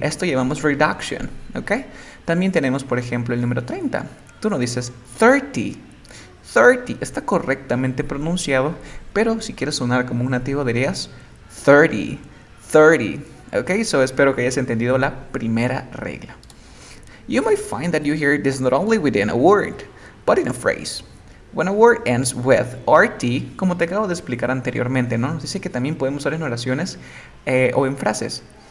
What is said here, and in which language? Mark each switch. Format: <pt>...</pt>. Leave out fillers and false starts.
<es>Esto llamamos reduction, ¿ok? También tenemos por ejemplo el número 30, tú no dices 30. 30 está correctamente pronunciado, pero si quieres sonar como un nativo dirías 30, 30. Ok, so espero que hayas entendido la primera regla.</es> <en>You might find that you hear this not only within a word, but in a phrase. When a word ends with RT,</en> <es>como te acabo de explicar anteriormente, ¿no? Nos dice que también podemos usar en oraciones o en frases.</es>